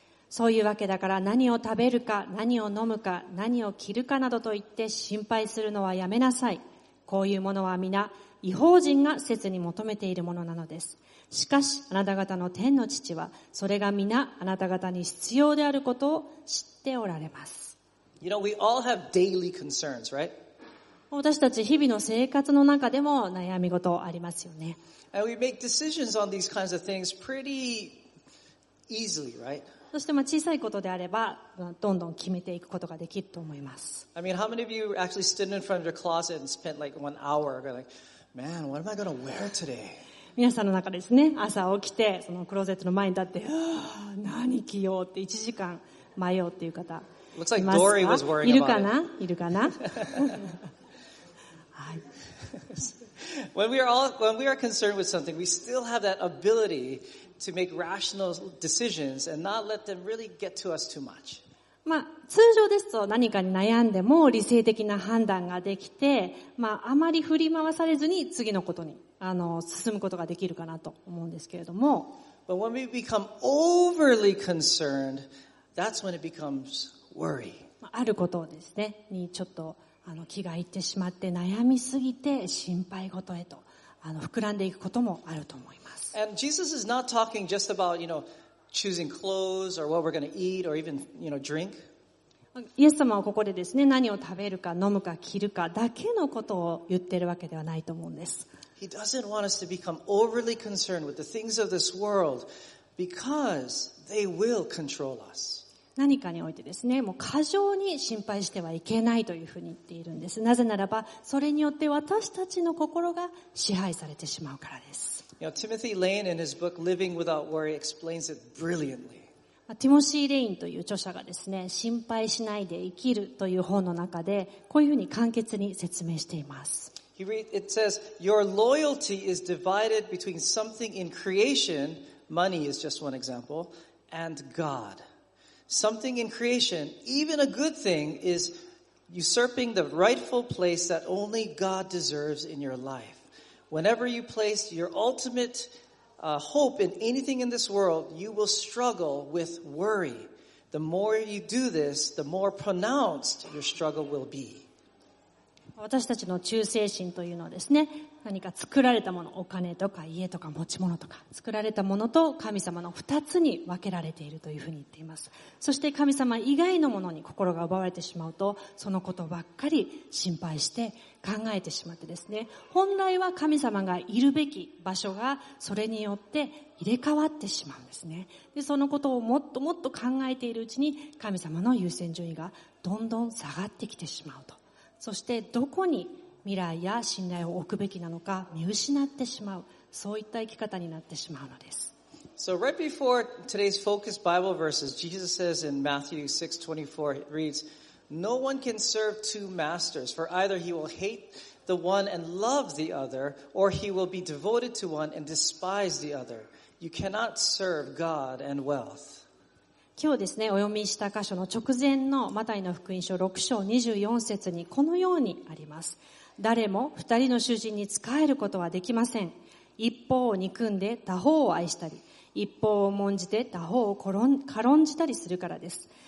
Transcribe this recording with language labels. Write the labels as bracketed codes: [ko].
[ja] そういうわけだから何を食べるか何を飲むか何を着るかなどと言って心配するのはやめなさい。こういうものは皆異邦人が切に求めているものなのです。しかしあなた方の天の父はそれが皆あなた方に必要であることを知っておられます。 [en] You know, we all have daily concerns, right? [ja] 私たち日々の生活の中でも悩み事ありますよね。 [en] And we make decisions on these kinds of things pretty easily, right? [ja] そしてまあ小さいことであればどんどん決めていくことができると思います。 [en] I mean, how many of you actually stood in front of your closet and spent like one hour going, "Man, what am I going to wear today?" [ja] 皆さんの中ですね、朝起きてそのクローゼットの前に立って、何着ようって1時間迷うっていう方いますか？ [en] Looks like Dory was worrying about it. [ja] いるかな？いるかな？ [en] When we are concerned with something, we still have that ability to make rational decisions and not let them really get to us too much. [ja] まあ通常ですと何かに悩んでも理性的な判断ができて、まああまり振り回されずに次のことに進むことができるかなと思うんですけれども。 [en] But when we become overly concerned, that's when it becomes worry. [ja] あることですねにちょっと。気が入ってしまって悩みすぎて心配事へと膨らんでいくこともあると思います。 [en] And Jesus is not talking just about, you know, choosing clothes or what we're going to eat or even, you know, drink. [ja] イエス様はここでですね、何を食べるか飲むか着るかだけのことを言ってるわけではないと思うんです。 [en] He doesn't want us to become overly concerned with the things of this world because they will control us. [ja] 何かにおいてですね、もう過剰に心配してはいけないというふうに言っているんです。なぜならば、それによって私たちの心が支配されてしまうからです。 [en] You know, Timothy Lane in his book Living Without Worry explains it brilliantly. [ja] ティモシー・レインという著者がですね、心配しないで生きるという本の中で、こういうふうに簡潔に説明しています。 [en] It says, your loyalty is divided between something in creation, money is just one example, and God. Something in creation, even a good thing, is usurping the rightful place that only God deserves in your life. Whenever you place your ultimate, hope in anything in this world, you will struggle with worry. The more you do this, the more pronounced your struggle will be. [ja] 私たちの忠誠心というのはですね、何か作られたもの、お金とか家とか持ち物とか、作られたものと神様の二つに分けられているというふうに言っています。そして神様以外のものに心が奪われてしまうと、そのことばっかり心配して考えてしまってですね、本来は神様がいるべき場所がそれによって入れ替わってしまうんですね。で、そのことをもっともっと考えているうちに、神様の優先順位がどんどん下がってきてしまうと。そしてどこに未来や信頼を置くべきなのか見失ってしまう、そういった生き方になってしまうのです。 [en] So right before today's focus Bible verses, Jesus says in Matthew 6:24, reads, No one can serve two masters, for either he will hate the one and love the other, or he will be devoted to one and despise the other. You cannot serve God and wealth. [ja] 今日ですね、お読みした箇所の直前のマタイの福音書6章24節にこのようにあります。誰も二人の主人に仕えることはできません。一方を憎んで他方を愛したり、一方を重んじて他方を軽んじたりするからです。